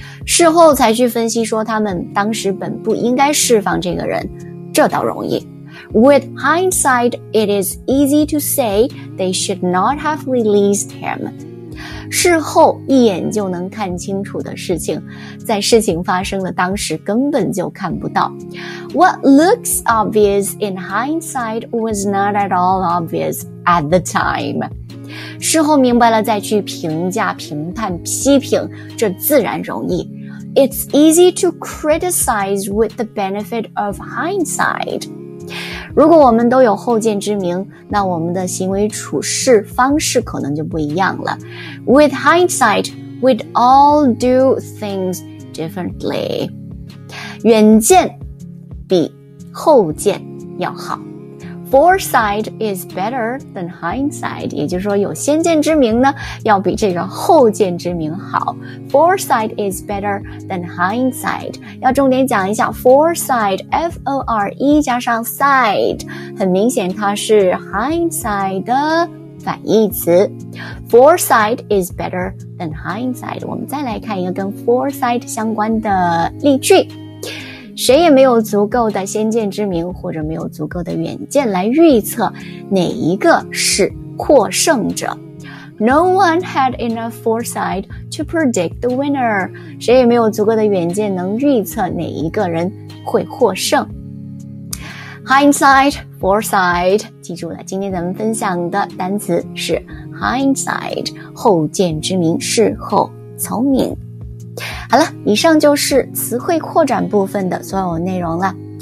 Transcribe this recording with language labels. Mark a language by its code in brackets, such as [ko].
[zh] 事后才去分析说他们当时本不应该释放这个人，这倒容易。 [en] With hindsight, it is easy to say they should not have released him. [zh] 事后一眼就能看清楚的事情，在事情发生的当时根本就看不到。 [en] What looks obvious in hindsight was not at all obvious at the time. [zh] 事后明白了再去评价、评判、批评，这自然容易。 [en] It's easy to criticize with the benefit of hindsight. [zh] 如果我们都有后见之明，那我们的行为处事方式可能就不一样了。 [en] With hindsight, we'd all do things differently. [zh] 远见比后见要好。 [en] Foresight is better than hindsight. [zh] 也就是说有先见之明呢，要比这个后见之明好。 [en] Foresight is better than hindsight. [zh] 要重点讲一下 foresight， F-O-R-E 加上 sight， 很明显它是 hindsight 的反义词。 [en] Foresight is better than hindsight。 [zh] 我们再来看一个跟 foresight 相关的例句。谁也没有足够的先见之明，或者没有足够的远见来预测哪一个是获胜者。 No one had enough foresight to predict the winner. 谁也没有足够的远见能预测哪一个人会获胜。 Hindsight, foresight. 记住了，今天咱们分享的单词是 hindsight， 后见之明，事后聪明。好了，以上就是词汇扩展部分的所有内容了。